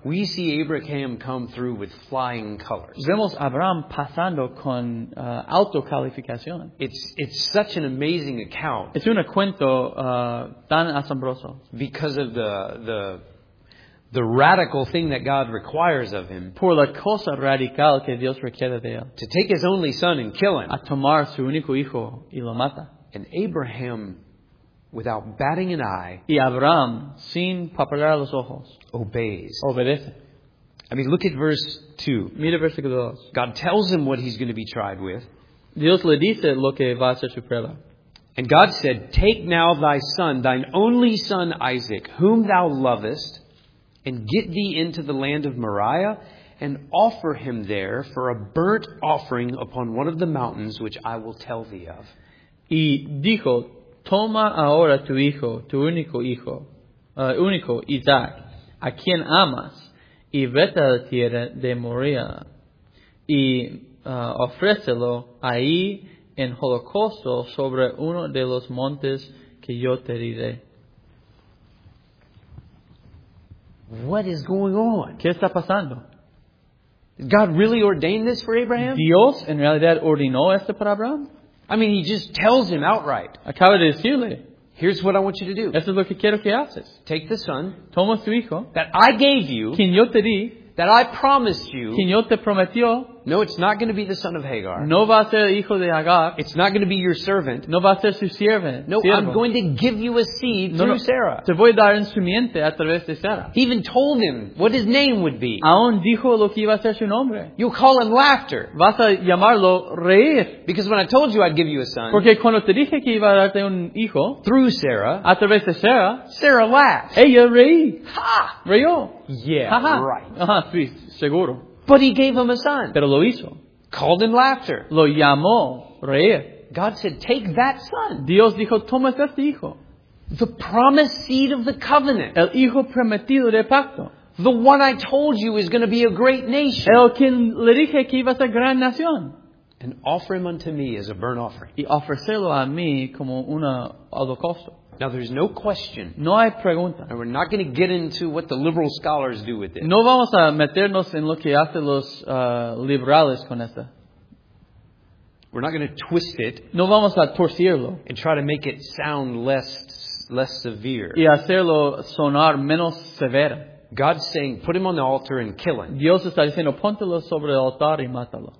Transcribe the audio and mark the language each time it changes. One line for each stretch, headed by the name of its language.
English: we see Abraham come through with flying colors.
Spanish: Vemos Abraham pasando con alto calificación.
English: It's such an amazing account.
Spanish: Es un cuento tan asombroso.
English: Because of the radical thing that God requires of him.
Spanish: Por la cosa radical que Dios requiere de él.
English: To take his only son and kill him.
Spanish: A tomar su único hijo y lo mata.
English: And Abraham, without batting an eye,
Spanish: y Abraham, sin papar los ojos,
English: obeys.
Spanish: Obedece.
English: I mean, look at verse 2.
Spanish: Mira versículo 2.
English: God tells him what he's going to be tried with.
Spanish: Dios le dice lo que va a ser su prueba.
English: And God said, take now thy son, thine only son Isaac, whom thou lovest, and get thee into the land of Moriah, and offer him there for a burnt offering upon one of the mountains which I will tell thee of.
Spanish: Y dijo, toma ahora tu hijo, tu único hijo, único Isaac, a quien amas, y vete a la tierra de Moriah, y ofrécelo ahí en holocausto sobre uno de los montes que yo te diré.
English: What is going on?
Spanish: ¿Qué está pasando?
English: Did God really ordain this for Abraham?
Spanish: ¿Dios en realidad ordenó esto para Abraham?
English: I mean, he just tells him outright.
Spanish: Acaba de decirle,
English: here's what I want you to do.
Spanish: Esto es lo que quiero que haces.
English: Take the son.
Spanish: Toma su hijo.
English: That I gave you.
Spanish: Quien yo te di.
English: That I promised you.
Spanish: Quien yo te prometió.
English: No, it's not going to be the son of Hagar.
Spanish: No va a ser el hijo de Hagar.
English: It's not going to be your servant.
Spanish: No va a ser su sierva.
English: No,
Spanish: siervo.
English: I'm going to give you a seed through Sarah.
Spanish: Te voy a dar en su simiente a través de Sarah.
English: He even told him what his name would be.
Spanish: Aún dijo lo que iba a ser su nombre.
English: You'll call him laughter.
Spanish: Vas a llamarlo reír.
English: Because when I told you I'd give you a son.
Spanish: Porque cuando te dije que iba a darte un hijo.
English: Through Sarah.
Spanish: A través de Sarah.
English: Sarah laughed.
Spanish: Ella reí. Ha! Reyó.
English: Yeah, ha-ha. Right.
Spanish: Ajá, sí, seguro.
English: But he gave him a son.
Spanish: Pero lo hizo.
English: Called him laughter.
Spanish: Lo llamó reír.
English: God said, take that son.
Spanish: Dios dijo, toma este hijo.
English: The promised seed of the covenant.
Spanish: El hijo prometido de pacto.
English: The one I told you is going to be a great nation.
Spanish: El quien le dije que iba a ser gran nación.
English: And offer him unto me as a burnt offering.
Spanish: Y ofrecerlo a mí como una holocausto.
English: Now there's no question.
Spanish: No hay pregunta.
English: And we're not going to get into what the liberal scholars do with it.
Spanish: No vamos a meternos en lo que hacen los liberales con esta.
English: We're not going to twist it.
Spanish: No vamos a torcerlo.
English: And try to make it sound less severe.
Spanish: Y hacerlo sonar menos severa.
English: God's saying, put him on the altar and kill him.
Spanish: Dios está diciendo, póntelo sobre el altar y mátalo.